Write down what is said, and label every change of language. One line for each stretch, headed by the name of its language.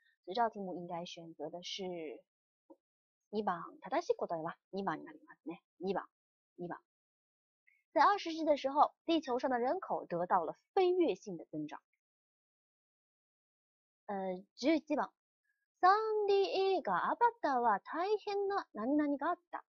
Chinese: 所以这道题目应该选择的是2番。
Japanese: 正しい答えは2番になりますね。 2番，2番。
Chinese: 在20世纪的时候，地球上的人口得到了飞跃性的增长。
Japanese: 11番。サンディ映画アバターは大変な何々があった。